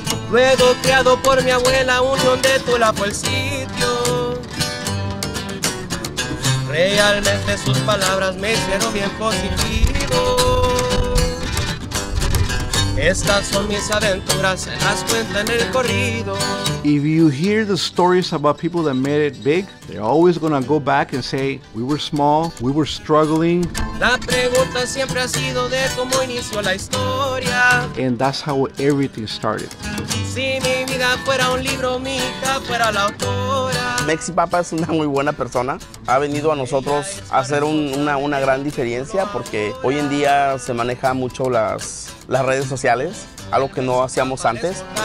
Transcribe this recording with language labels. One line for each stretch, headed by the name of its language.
Spanish: Luego criado por mi abuela, Unión de Tula fue el sitio. Realmente sus palabras me hicieron bien positivo. Estas son mis aventuras, se las cuento en el corrido.
English: If you hear the stories about people that made it big, they're always gonna go back and say, we were small, we were struggling.
Spanish: La pregunta siempre ha sido de cómo inició la historia.
English: And that's how everything started.
Spanish: Si mi vida fuera un libro, mi hija fuera la autora. Mexi Papa es una muy buena persona. Ha venido a nosotros a hacer una gran diferencia, porque hoy en día se maneja mucho las redes sociales, algo que no hacíamos antes.